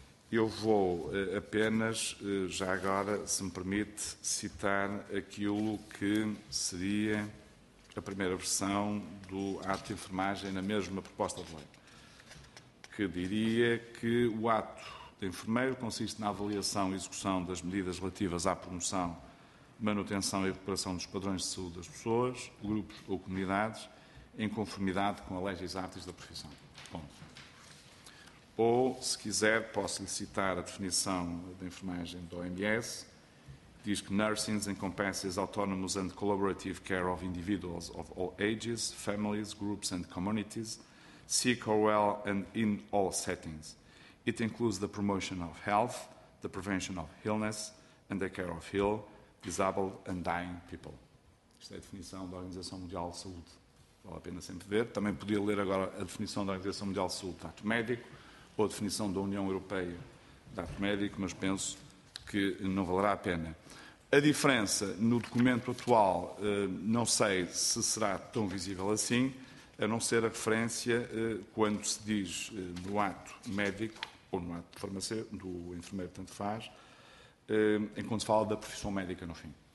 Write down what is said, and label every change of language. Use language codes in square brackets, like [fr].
[pt] Eu vou apenas, já agora, se me permite, citar aquilo que seria a primeira versão do ato de enfermagem na mesma proposta de lei, que diria que o ato de enfermeiro consiste na avaliação e execução das medidas relativas à promoção, manutenção e recuperação dos padrões de saúde das pessoas, grupos ou comunidades, em conformidade com a legislação da profissão. Ponto. Ou, se quiser, posso lhe citar a definição de enfermagem do OMS. Diz que [en] nursing encompasses autonomous and collaborative care of individuals of all ages, families, groups and communities, sick or well and in all settings. It includes the promotion of health, the prevention of illness and the care of ill, disabled and dying people. [pt] Isto é a definição da Organização Mundial de Saúde. Vale a pena sempre ver. Também podia ler agora a definição da Organização Mundial de Saúde de ato médico ou a definição da União Europeia de ato médico, mas penso que não valerá a pena. A diferença no documento atual, não sei se será tão visível assim, a não ser a referência quando se diz no ato médico, ou no ato de farmacêutico, do enfermeiro tanto faz, enquanto se fala da profissão médica no fim.